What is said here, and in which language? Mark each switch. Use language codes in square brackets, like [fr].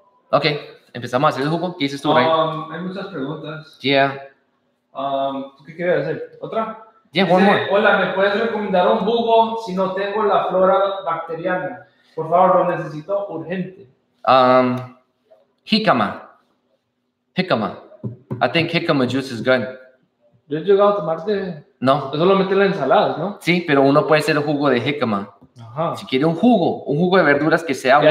[es] Ok, empezamos a hacer el jugo. ¿Qué dices tú, Ray? Hay muchas preguntas. [en] Yeah. [es] ¿Qué quieres hacer? ¿Otra? [en] Yeah, [es] dice, hola, ¿me puedes recomendar un jugo si no tengo la flora bacteriana? Por favor, lo necesito urgente. Jícama. [en] I think jícama juice is good. [es] Yo he llegado a tomarte. No. Eso lo metes en las ensaladas, ¿no? Sí, pero uno puede hacer un jugo de jícama. Ajá. Si quiere un jugo de verduras que sea bueno.